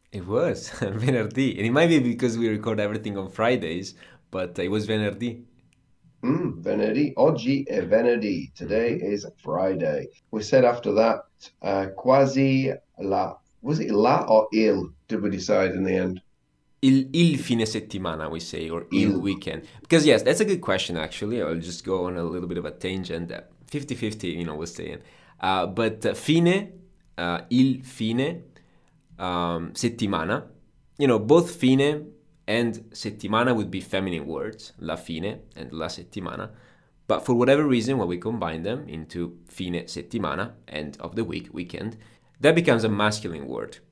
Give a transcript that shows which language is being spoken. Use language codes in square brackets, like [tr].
[en] It was Venerdì. And it might be because we record everything on Fridays, but it was Venerdì. [it] Venerdì. Oggi è venerdì. [en] Today is Friday. We said after that, [it] quasi la. [en] Was it la or il? Did we decide in the end? [it] Il fine settimana, [en] we say, or [it] il Il. [en] weekend. Because, yes, that's a good question, actually. I'll just go on a little bit of a tangent. 50-50, we're saying. But fine, [it] il fine. [en] Settimana, both fine and settimana would be feminine words, la fine and la settimana, but for whatever reason, when we combine them into fine settimana, end of the week, weekend, that becomes a masculine word.